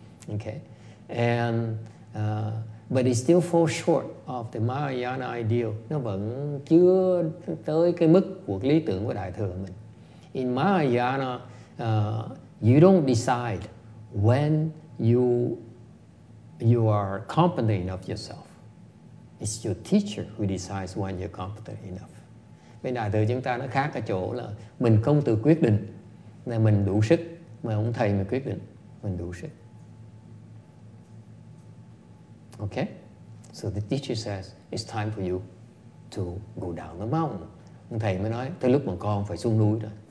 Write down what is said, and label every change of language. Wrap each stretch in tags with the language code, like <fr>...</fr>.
<en>Okay, and but it still falls short of the Mahayana ideal.</en> <vi>Nó vẫn chưa tới cái mức của lý tưởng của đại thừa mình.</vi> <en>In Mahayana, you don't decide when you are competent enough yourself. It's your teacher who decides when you're competent enough.</en> <vi>Bên đại thừa chúng ta nó khác ở chỗ là mình không tự quyết định là mình đủ sức, mà ông thầy mình quyết định mình đủ sức.</vi> <en>Okay, so the teacher says it's time for you to go down the mountain.</en> <vi>Thầy mới nói tới lúc mà con phải xuống núi rồi.</vi>